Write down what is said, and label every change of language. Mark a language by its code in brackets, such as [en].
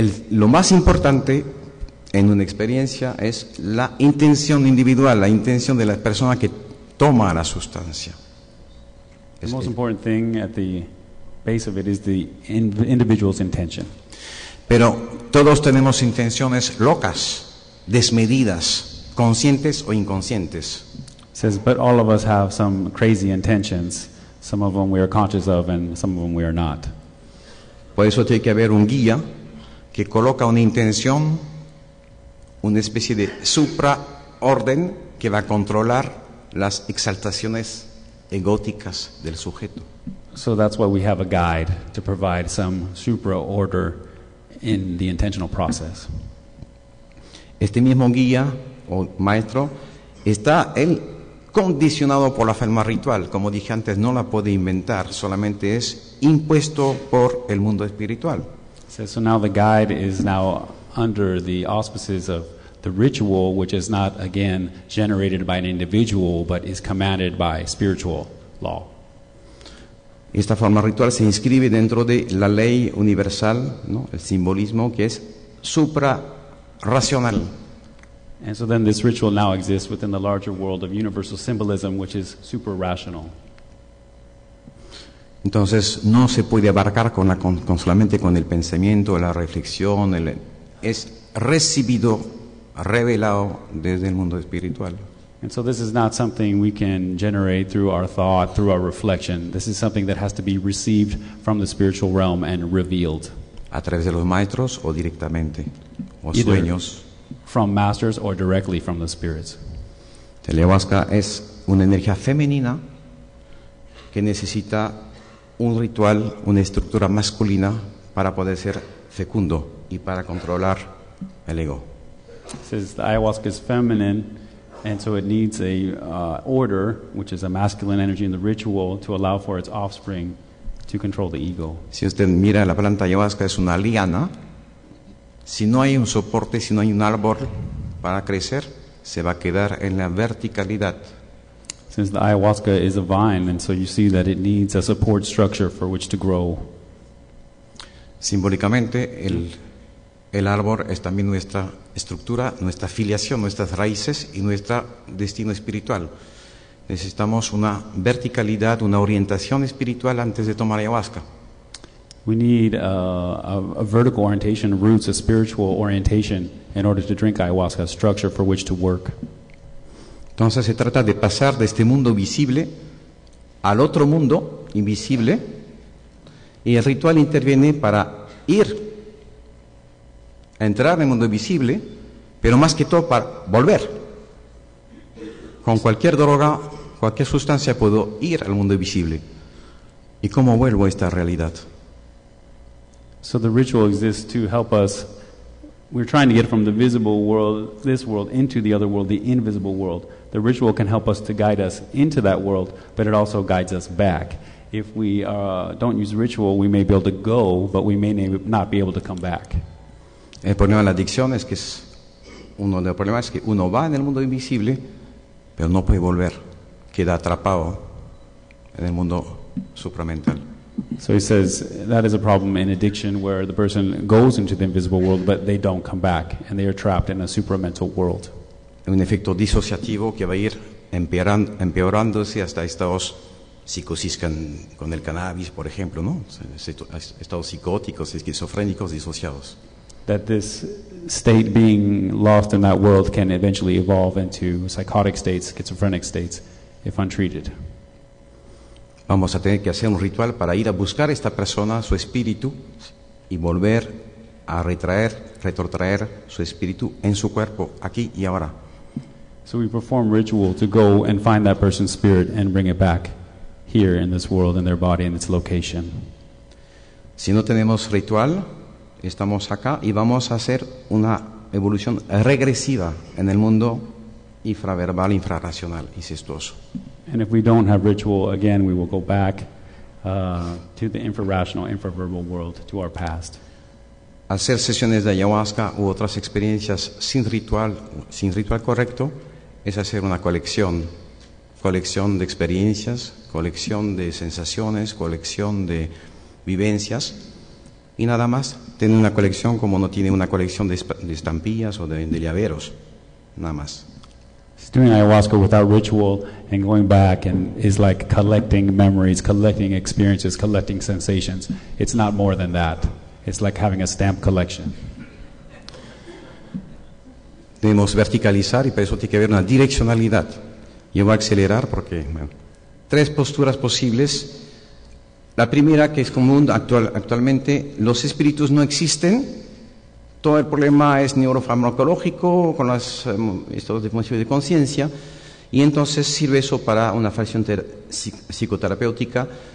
[es] Lo más importante en una experiencia es la intención individual, la intención de la persona que toma la sustancia. [en] The most important thing at the base of it is the individual's intention. [es] Pero todos tenemos intenciones locas, desmedidas, conscientes o inconscientes. [en] It says, but all of us have some crazy intentions. Some of them we are conscious of and some of them we are not. [es] Por eso tiene que haber un guía que coloca una intención, una especie de supraorden que va a controlar las exaltaciones egóticas del sujeto. [en] So that's why we have a guide to provide some supra order in the intentional process. [es] Este mismo guía o maestro está él condicionado por la forma ritual, como dije antes, no la puede inventar, solamente es impuesto por el mundo espiritual. [en] So now the guide is now under the auspices of the ritual, which is not again generated by an individual, but is commanded by spiritual law. [es] Esta forma ritual se inscribe dentro de la ley universal, ¿no? El simbolismo que es suprarracional. [en] And so then this ritual now exists within the larger world of universal symbolism, which is super-rational. [es] Entonces, no se puede abarcar con solamente con el pensamiento, la reflexión. Es recibido, revelado desde el mundo espiritual. [en] And so this is not something we can generate through our thought, through our reflection. This is something that has to be received from the spiritual realm and revealed. [es] A través de los maestros o directamente, o sueños. [en] From masters or directly from the spirits. [es] El ayahuasca es una energía femenina que necesita un ritual, una estructura masculina para poder ser fecundo y para controlar el ego. [en] Says the ayahuasca is feminine, and so it needs a order, which is a masculine energy in the ritual, to allow for its offspring to control the ego. [es] Si usted mira la planta ayahuasca, es una liana. Si no hay un soporte, si no hay un árbol para crecer, se va a quedar en la verticalidad. [en] Since the ayahuasca is a vine, and so you see that it needs a support structure for which to grow. [es] Simbólicamente, el árbol es también nuestra estructura, nuestra filiación, nuestras raíces y nuestro destino espiritual. Necesitamos una verticalidad, una orientación espiritual antes de tomar ayahuasca. [en] We need a vertical orientation, roots, a spiritual orientation in order to drink ayahuasca, a structure for which to work. [es] Entonces se trata de pasar de este mundo visible al otro mundo invisible, y el ritual interviene para ir a entrar en el mundo visible, pero más que todo para volver. Con cualquier droga, cualquier sustancia puedo ir al mundo visible. ¿Y cómo vuelvo a esta realidad? [en] So the ritual exists to help us. We're trying to get from the visible world, this world, into the other world, the invisible world. The ritual can help us to guide us into that world, but it also guides us back. If we don't use ritual, we may be able to go, but we may not be able to come back. [es] El problema de la adicción es que es uno de los problemas es que uno va en el mundo invisible, pero no puede volver. Queda atrapado en el mundo supramental. [en] So he says that is a problem in addiction where the person goes into the invisible world but they don't come back and they are trapped in a supramental world. [es] Un efecto disociativo que va a ir empeorándose hasta estados psicosis con el cannabis, por ejemplo, ¿no? Estados psicóticos, esquizofrénicos, disociados. [en] That this state being lost in that world can eventually evolve into psychotic states, schizophrenic states, if untreated. [es] Vamos a tener que hacer un ritual para ir a buscar a esta persona, su espíritu, y volver a retrotraer su espíritu en su cuerpo, aquí y ahora. [en] So we perform ritual to go and find that person's spirit and bring it back here in this world, in their body, in its location. [es] Si no tenemos ritual, estamos acá y vamos a hacer una evolución regresiva en el mundo infraverbal, infrarracional, incestuoso. [en] And if we don't have ritual, again, we will go back to the infrarational, infraverbal world, to our past. [es] Hacer sesiones de ayahuasca u otras experiencias sin ritual correcto, es hacer una colección, colección de experiencias, colección de sensaciones, colección de vivencias, y nada más, tener una colección como no tiene una colección de estampillas o de llaveros, nada más. [en] Doing ayahuasca without ritual and going back and is like collecting memories, collecting experiences, collecting sensations. It's not more than that. It's like having a stamp collection. [es] Debemos verticalizar y para eso tiene que haber una direccionalidad. Yo voy a acelerar porque, bueno, tres posturas posibles. La primera, que es común actualmente, los espíritus no existen. Todo el problema es neurofarmacológico con las estados de función y de conciencia, y entonces sirve eso para una fracción psicoterapéutica.